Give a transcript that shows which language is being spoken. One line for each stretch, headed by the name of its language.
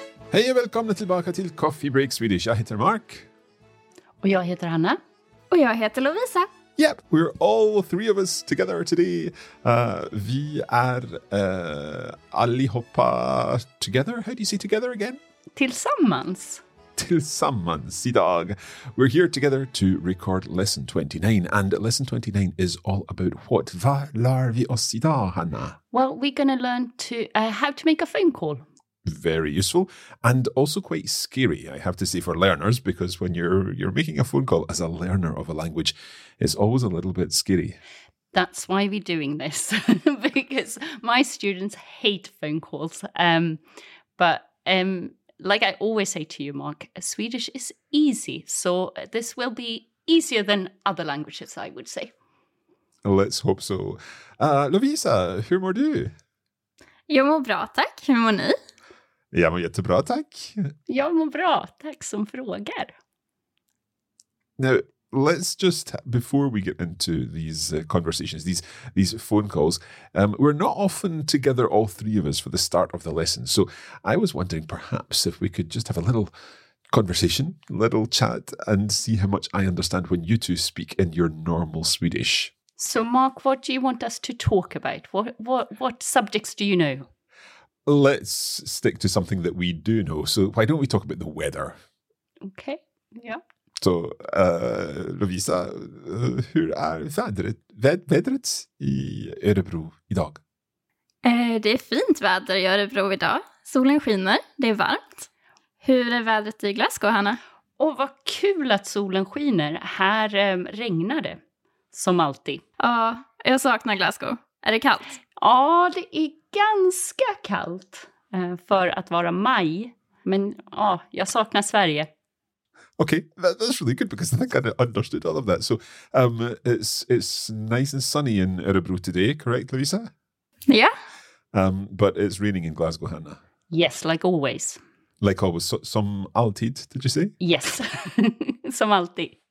Swedish: Hej och välkomna tillbaka till Coffee Break Swedish. Jag heter Mark. Och jag heter Hanna. Och jag heter Lovisa.
English: Yep, we're all three of us together today.
Swedish: Vi är allihopa together.
English: How do you say together again?
Swedish: Tillsammans. Tillsammans idag.
English: We're here together to record lesson 29. And lesson 29 is all about what?
Swedish: Vad lär vi oss idag, Hanna?
English: Well, we're going to learn to how to make a phone call. Very useful and also quite scary, I have to say, for learners, because when you're making a phone call as a learner of a language, it's always a little bit scary. That's why we're doing this, because my students hate phone calls. But like I always say to you, Mark, Swedish is easy. So this will be easier than other languages, I would say. Let's hope so. Lovisa,
Swedish: hur mår du? Jag mår bra, tack. Hur mår ni? Jag mår jättebra, tack. Jag mår bra, tack som frågar.
English: Now, let's just, before we get into these conversations, these phone calls, we're not often together, all three of us, for the start of the lesson. So I was wondering perhaps if we could just have a little conversation, little chat, and see how much I understand when you two speak in your normal Swedish. So Mark, what do you want us to talk about? What subjects do you know? Let's stick to something that we do know. So why don't we talk about the weather? Okay, yeah.
Swedish: So, Lovisa, hur är vädret i Örebro idag? Det är fint väder i Örebro idag. Solen skiner, det är varmt. Hur är vädret i Glasgow, Hanna? Och vad kul att solen skiner. Här regnar det, som alltid. Ja, jag saknar Glasgow. Är det kallt? Ja, det är ganska kallt för att vara maj. Men ja, jag saknar Sverige.
English: Okay, that's really good because I think I kind of understood all of that. So it's nice and sunny in Örebro today, correct, Lovisa? Yeah. But it's raining in Glasgow, Hanna. Yes, like always. Like always.
Swedish: Som alltid,
English: did you say?
Swedish: Yes, som alltid.